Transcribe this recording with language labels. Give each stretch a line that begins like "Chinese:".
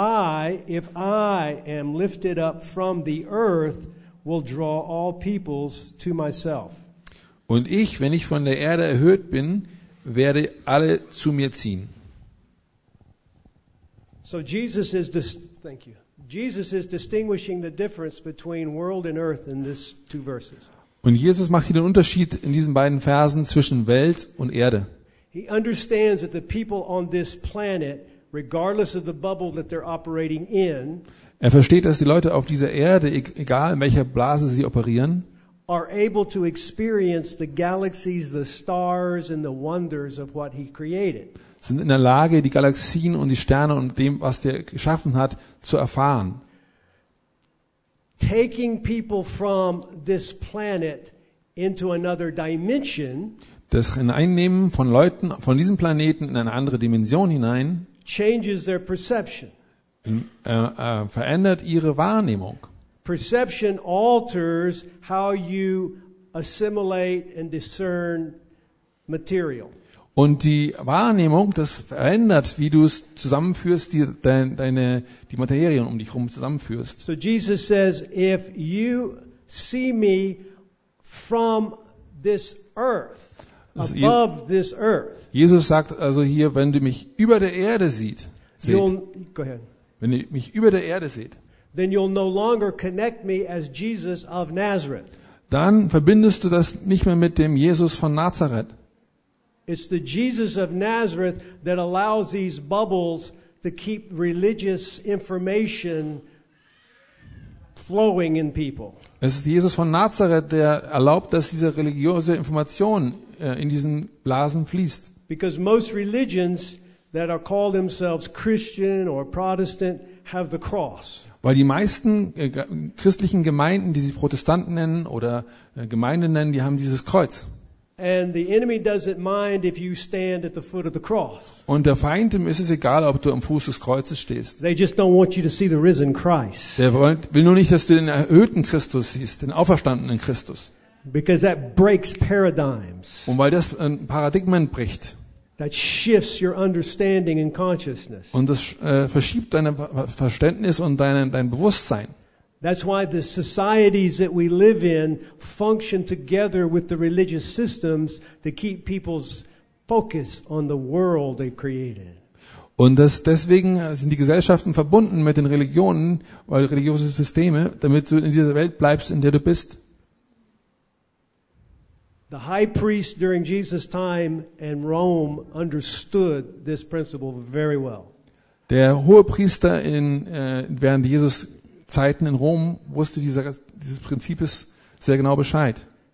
English: And if I am lifted up from the earth, will draw all peoples to myself.
German: Und ich, wenn ich von der Erde erhöht bin, werde alle zu mir ziehen.
English: So Jesus is distinguishing the difference between world and earth in these two verses.
German: Und Jesus macht hier den Unterschied in diesen beiden Versen zwischen Welt und Erde.
English: He understands that the people on this planet regardless of the bubble that they're operating in.
German: Er versteht, dass die Leute auf dieser Erde, egal in welcher Blase sie operieren,
English: are able to experience the galaxies, the stars and the wonders of what he created.
German: Sind in der Lage, die Galaxien und die Sterne und dem, was der geschaffen hat, zu erfahren.
English: Taking people from this planet into another dimension,
German: das Hineinnehmen von Leuten von diesem Planeten in eine andere Dimension hinein,
English: changes their perception.
German: Verändert ihre Wahrnehmung.
English: Perception alters how you assimilate and discern material.
German: Und die Wahrnehmung, das verändert, wie du es zusammenführst, die Materien um dich herum zusammenführst.
English: So Jesus says, if you see me from this earth, above this earth.
German: Jesus sagt also hier, wenn du mich über der Erde siehst, wenn ihr mich über der Erde seht,
English: then you'll no longer connect me as Jesus of Nazareth.
German: Dann verbindest du das nicht mehr mit dem Jesus von Nazareth.
English: It's the Jesus of Nazareth that allows these bubbles to keep religious information flowing in people.
German: Es ist Jesus von Nazareth, der erlaubt, dass diese religiöse Information in diesen Blasen fließt.
English: Because most religions that are called themselves Christian or Protestant have the cross.
German: Weil die meisten christlichen Gemeinden, die sie Protestanten nennen oder Gemeinden nennen, die haben dieses Kreuz.
English: And the enemy doesn't mind if you stand at the foot of the cross.
German: Und der Feind, dem ist es egal, ob du am Fuß des Kreuzes stehst.
English: They just don't want you to see the risen Christ.
German: Der will nur nicht, dass du den erhöhten Christus siehst, den auferstandenen Christus.
English: Because that breaks paradigms.
German: Und weil das ein Paradigmen bricht.
English: That shifts your understanding and consciousness.
German: Und das verschiebt dein Verständnis und dein Bewusstsein.
English: That's why the societies that we live in function together with the religious systems to keep people's focus on the world they've created.
German: Und deswegen sind die Gesellschaften verbunden mit den Religionen, weil religiöse Systeme, damit du in dieser Welt bleibst, in der du bist.
English: The high priest during Jesus' time in Rome understood this principle very well.
German: Der Hohepriester in während Jesus Zeiten in Rom wusste dieses Prinzips sehr genau Bescheid.